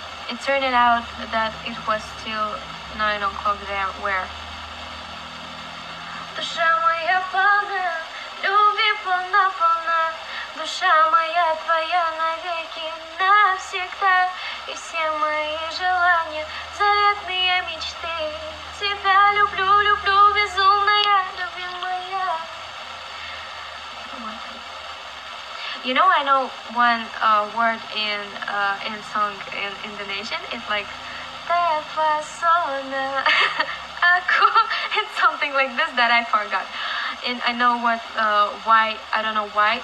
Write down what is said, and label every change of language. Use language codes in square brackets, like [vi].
[en] It turned out that it was still 9 o'clock there. Where? [ru] Душа моя полна, любви полна-полна. Душа моя твоя навеки навсегда. И все мои желания, заветные мечты. Тебя люблю, люблю, безумная любимая. [en] You know, I know one word in song in Indonesian. It's like [id] terpesona aku. [en] It's something like this that I forgot. And I know what why I don't know why.